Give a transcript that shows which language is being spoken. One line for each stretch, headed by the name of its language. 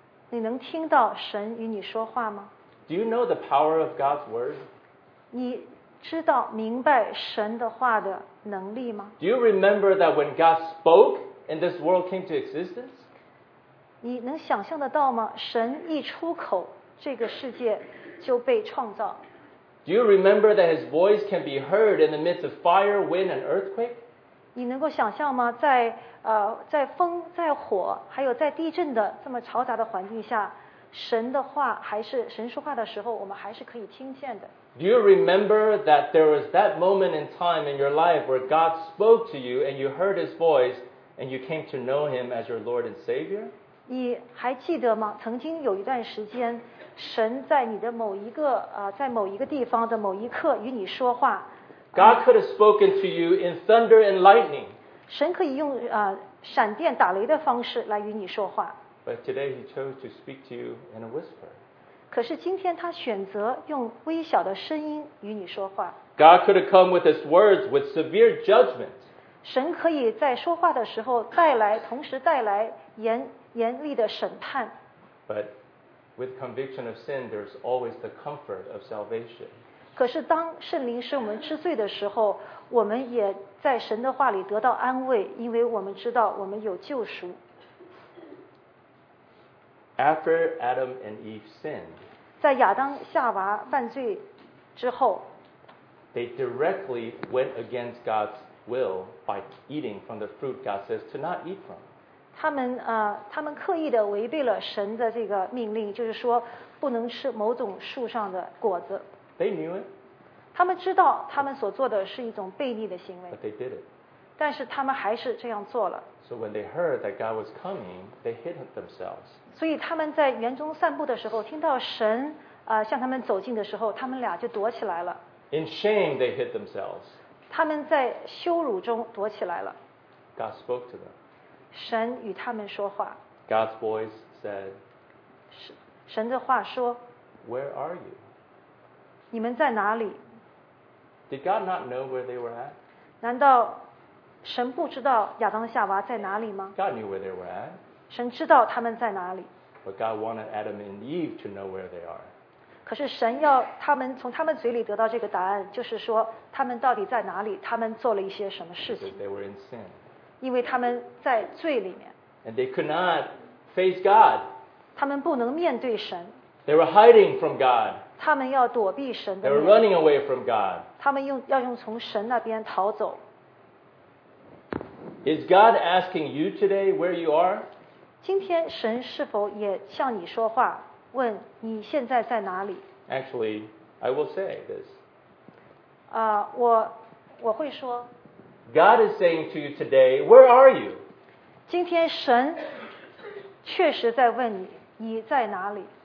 Chinese: 你能听到神与你说话吗？
English: Do you know the power of God's word?
Chinese: 你知道明白神的话的能力吗？
English: Do you remember that when God spoke and this world came to existence?
Chinese: 你能想象得到吗？神一出口，这个世界就被创造。
English: Do you remember that His voice can be heard in the midst of fire, wind, and earthquake?
Chinese: 你能够想象吗？在风、在火，还有在地震的这么嘈杂的环境下，神的话还是神说话的时候，我们还是可以听见的。
English: Do you remember that there was that moment in time in your life where God spoke to you and you heard His voice and you came to know Him as your Lord and Savior?
Chinese: 你还记得吗？曾经有一段时间，神在你的某一个在某一个地方的某一刻与你说话。
English: God could have spoken to you in thunder and lightning.
Chinese: 神可以用闪电打雷的方式来与你说话。
English: But today he chose to speak to you in a whisper.
Chinese: 可是今天他选择用微小的声音与你说话。
English: God could have come with his words with severe judgment.
Chinese: 神可以在说话的时候带来，同时带来严厉的审判。
English: But with conviction of sin, there's always the comfort of salvation.
Chinese: 可是当圣灵使我们知罪的时候，我们也在神的话里得到安慰，因为我们知道我们有救赎。
English: After Adam and Eve sinned,
Chinese: 在亚当夏娃犯罪之后，
English: they directly went against God's will by eating from the fruit God says to not eat from.
Chinese: 他们刻意的违背了神的这个命令，就是说不能吃某种树上的果子。
English: They knew it.
Chinese: 他们知道他们所做的是一种悖逆的行为。
English: But they did it.
Chinese: 但是他们还是这样做了。
English: So when they heard that God was coming, they hid themselves.
Chinese: 所以他们在园中散步的时候，听到神向他们走近的时候，他们俩就躲起来了。
English: In shame, they hid themselves.
Chinese: 他们在羞辱中躲起来了。
English: God spoke to them.
Chinese: 神与他们说话。
English: God's voice said.
Chinese: 神的话说。
English: Where are you?
Chinese: 你们在哪里？
English: Did God not know where they were at?
Chinese: 难道神不知道亚当夏娃在哪里吗？
English: God knew where they were at.
Chinese: 神知道他们在哪里。
English: But God wanted Adam and Eve to know where they are.
Chinese: 可是神要他们从他们嘴里得到这个答案，就是说他们到底在哪里，他们做了一些什么事情。
English: Because they were in sin.
Chinese: 因为他们在罪里面。
English: And they could not face God.
Chinese: 他们不能面对神。
English: They were hiding from God.
Chinese: 他们要躲避神的。
English: They were running away from God.
Chinese: 他们要用从神那边逃走。
English: Is God asking you today where you are?
Chinese: 今天神是否也向你说话，问你现在在哪里？
English: Actually, I will say this.
Chinese: 我会说。
English: God is saying to you today, where are you?
Chinese: 今天神确实在问你，你在哪里？